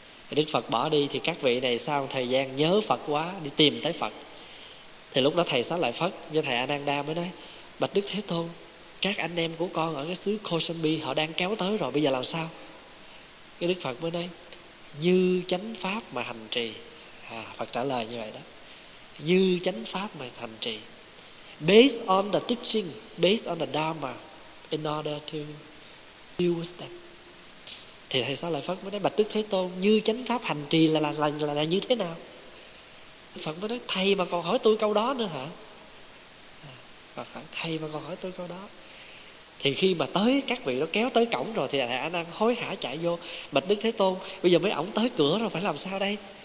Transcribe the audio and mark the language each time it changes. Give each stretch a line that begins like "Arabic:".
Vietnamese: Đức Phật bỏ đi, thì các vị này sau thời gian nhớ Phật quá, đi tìm tới Phật. Thì lúc đó thầy Xá Lợi Phất với thầy Ananda mới nói: bạch Đức Thế Tôn, các anh em của con ở cái xứ Kosambi họ đang kéo tới rồi, bây giờ làm sao? Cái Đức Phật mới nói: như chánh pháp mà hành trì. À, Phật trả lời như vậy đó. Như chánh pháp mà hành trì,
English: based on the teaching, based on the Dharma, in order to deal with them.
Vietnamese: Thì thầy Xá Lợi Phất mới nói: bạch Đức Thế Tôn, như chánh pháp hành trì là như thế nào? Phật mới nói: thầy mà còn hỏi tôi câu đó nữa hả? Phật phải: thầy mà còn hỏi tôi câu đó. Thì khi mà tới, các vị đó kéo tới cổng rồi, thì thầy Ananda hối hả chạy vô: bạch Đức Thế Tôn, bây giờ mấy ổng tới cửa rồi, phải làm sao đây?